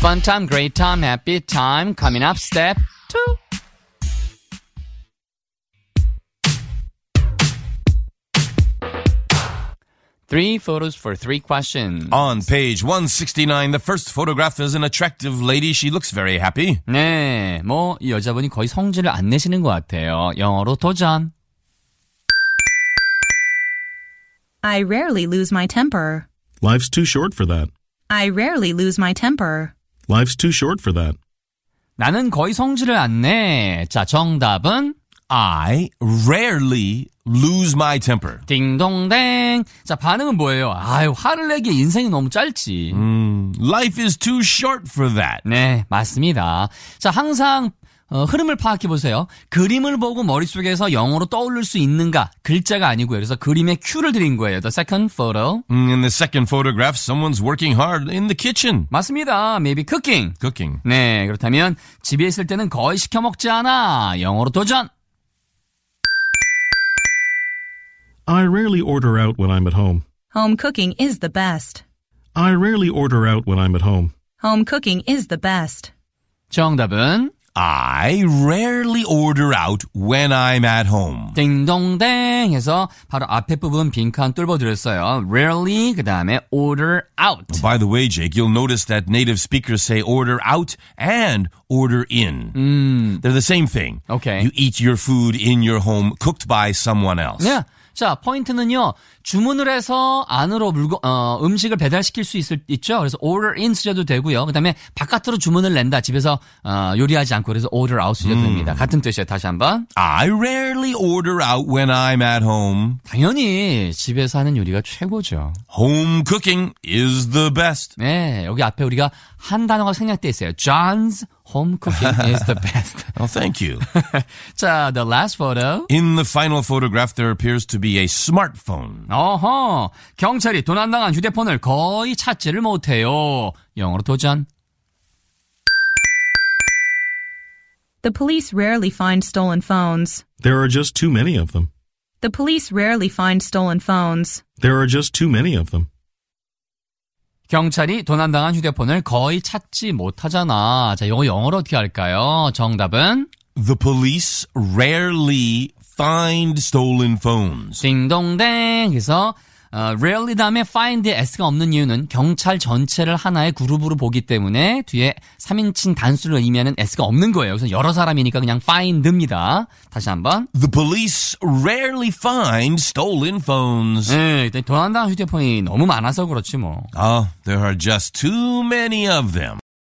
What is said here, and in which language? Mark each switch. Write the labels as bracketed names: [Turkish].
[English] Fun time, great time, happy time, coming up, step two. Three photos for three questions. On page 169, the first photograph is an attractive lady. She looks very happy. [Korean] 네, 뭐 이 여자분이 거의 성질을 안 내시는 것 같아요. 영어로 도전. [English] I rarely lose my temper. Life's too short for that. I rarely lose my temper. Life's too short for that. [Korean] 나는 거의 성질을 안 내. 자, 정답은? [English] I rarely lose my temper. [Korean] 딩동댕. 자, 반응은 뭐예요? 아유, 화를 내기에 인생이 너무 짧지. [English] Life is too short for that. [Korean] 네, 맞습니다. 자, 항상 흐름을 파악해 보세요. 그림을 보고 머릿속에서 영어로 떠올릴 수 있는가? 글자가 아니고요. 그래서 그림의 큐를 드린 거예요. [English] The second photo. In the second photograph, someone's working hard in the kitchen. [Korean] 맞습니다. [English] Maybe cooking. Cooking. [Korean] 네, 그렇다면 집에 있을 때는 거의 시켜 먹지 않아. 영어로 도전. [English] I rarely order out when I'm at home. Home cooking is the best. I rarely order out when I'm at home. Home cooking is the best. [Korean] 정답은? [English] I rarely order out when I'm at home. [Korean] 띵동댕 해서 바로 앞에 부분 빈칸 뚫어드렸어요. [English] Rarely, [Korean] 그 다음에 [English] order out. By the way, Jake, you'll notice that native speakers say order out and order in. They're the same thing. Okay. You eat your food in your home cooked by someone else. [Korean] Yeah. 자, 포인트는요. 주문을 해서 안으로 물건 음식을 배달시킬 수 있을 있죠. 그래서 order in 쓰셔도 되고요. 그다음에 바깥으로 주문을 낸다. 집에서 요리하지 않고 그래서 order out 쓰셔도 됩니다. 같은 뜻이에요. 다시 한번. [English] I rarely order out when I'm at home. [Korean] 당연히 집에서 하는 요리가 최고죠. [English] Home cooking is the best. [Korean] 네, 여기 앞에 우리가 한 단어가 생략돼 있어요. [English] John's home cooking is the best. Oh, well, thank you. 자, the last photo. In the final photograph there appears to be a smartphone. [Korean] 어허, 경찰이 도난당한 휴대폰을 거의 찾지를 못해요. 영어로 도전. [English] The police rarely find stolen phones. There are just too many of them. The police rarely find stolen phones. There are just too many of them. [Korean] 경찰이 도난당한 휴대폰을 거의 찾지 못하잖아. 자, 이거 영어로 어떻게 할까요? 정답은? [English] The police rarely find stolen phones. [Korean] 딩동댕. 그래서 rarely 다음에 find에 s가 없는 이유는 경찰 전체를 하나의 그룹으로 보기 때문에 뒤에 3인칭 단수를 의미하는 s가 없는 거예요. 그래서 여러 사람이니까 그냥 find입니다. 다시 한번. [English] The police rarely find stolen phones. [Korean] 네, 도난당한 휴대폰이 너무 많아서 그렇지 뭐. [English] Oh, there are just too many of them.